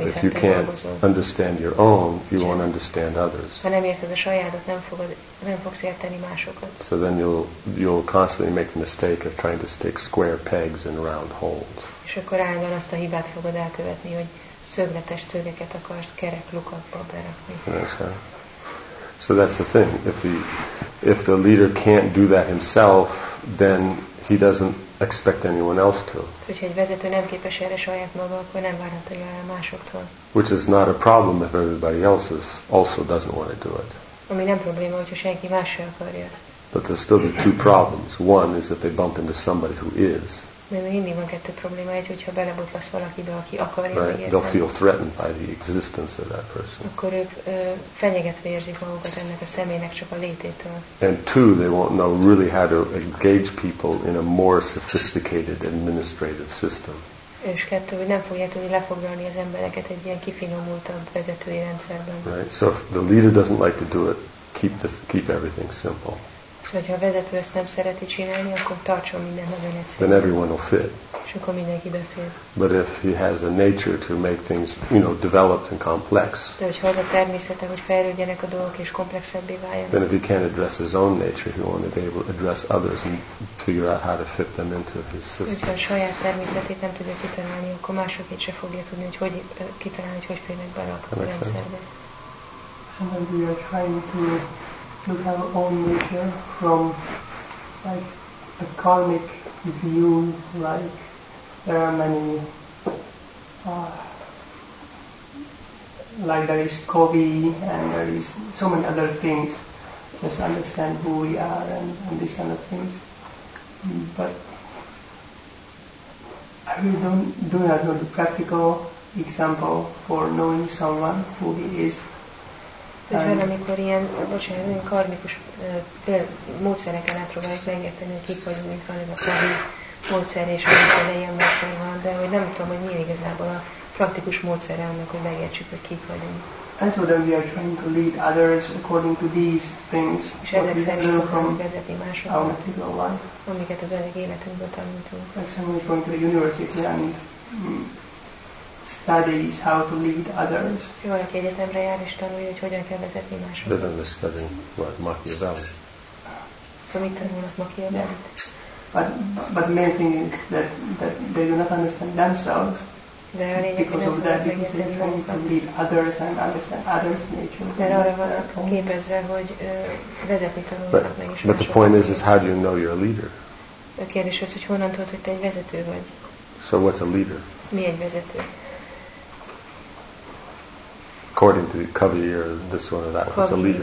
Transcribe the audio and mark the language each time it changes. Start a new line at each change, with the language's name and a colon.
English: if you can't understand your own, you won't understand others. So then you'll constantly make the mistake of trying to stick square pegs in round holes.
Hungarian: És akkor állandóan azt a hibát fogod elkövetni, hogy szögletes szögeket akarsz kerek lukakba berakni.
English: So that's the thing. If the leader can't do that himself, then he doesn't expect anyone else to.
Hungarian: Hogyha egy vezető nem képes erre saját maga, akkor nem várhatja el másoktól.
English: Which is not a problem if everybody else also doesn't want to do it.
Hungarian: Ami nem probléma, hogyha senki más sem akarja.
English: But there's still the two problems. One is that they bump into somebody who is.
Hungarian: Mert mindig van kettő probléma, egy, hogyha belebotlasz valakibe, aki akar érni.
English: Right. They'll feel threatened by the existence of that person.
Hungarian: Akkor ők fenyegetve érzik magukat ennek a személynek csak a lététől.
English: And two, they won't know really how to engage people in a more sophisticated administrative system.
Hungarian: És kettő, hogy nem fogják tudni lefoglalni az embereket egy ilyen kifinomultabb vezetői rendszerben.
English: Right. So if the leader doesn't like to do it, keep everything simple.
Hungarian: Hogy ha a vezető ezt nem szereti csinálni, akkor tartson minden nagyon egyszerű.
English: Then everyone will fit.
Hungarian: És akkor mindenki befér.
English: But if he has a nature to make things, you know, developed and complex.
Hungarian: De hogyha az a természete, hogy fejlődjenek a dolgok és komplexebbé váljanak.
English: Then if he can't address his own nature, he won't be able to address others and figure out how to fit them into his system.
Hungarian: Hogyha a saját természetét nem tudja kitalálni, akkor másokét se fogja tudni, hogy kitalálni, hogy félnek be a rendszerbe.
English: Sometimes we are trying to look at our own nature from like a karmic view, like there are many like there is Kobe and there is so many other things, just understand who we are and these kind of things. But I really do not know the practical example for knowing someone who he is.
Hungarian: Hogy van, amikor ilyen, bocsánat, ilyen karmikus módszereken átpróbáljuk megérteni, hogy kik vagyunk, mint van ez a kori módszer, és amikor ilyen módszer van, de hogy nem tudom, hogy mi igazából a praktikus módszer annak, hogy megértsük, hogy kik vagyunk.
English: And so then we are trying to lead others according to these things,
Hungarian: és ezek szerint fogunk vezetni másokat, amiket az önök életünkből tanultunk.
English: Like someone is going to a university and studies how to lead others.
Hungarian: Jó, aki egyetemre jár és tanulja, hogy hogyan kell vezetni másokat.
English: But then they're studying what Machiavelli.
Hungarian: So mit tanul az Machiavelli?
English: Yeah. But the main thing is that they do not understand themselves.
Hungarian: De a lényeg,
English: because of that, because they're trying to lead others and understand others' nature.
Hungarian: De arra van képezve, hogy vezetni tanulnak meg is másokat.
English: But the point is how do you know you're a leader?
Hungarian: A kérdés az, hogy honnan tudod, hogy te egy vezető vagy.
English: So what's a leader?
Hungarian: Mi egy vezető?
English: According to Kavi or this one or that one, it's a leader.